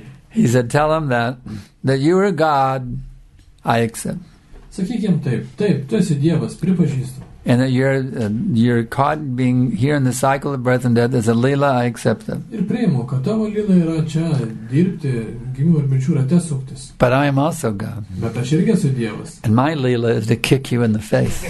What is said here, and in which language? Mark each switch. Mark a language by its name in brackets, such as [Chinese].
[English] He said, tell them that you are God, I accept. [Lithuanian] Sakyk jiems taip, taip, tu esi Dievas, pripažįstu. [English] And that you're caught being here in the cycle of birth and death as a lila, I accept them. [Lithuanian] Ir priimu, kad tavo lila yra čia dirbti, gimimo ir mirčių rate suktis. [English] But I am also God. [Lithuanian] Bet aš irgi esu Dievas. [English] And my lila is to kick you in the face.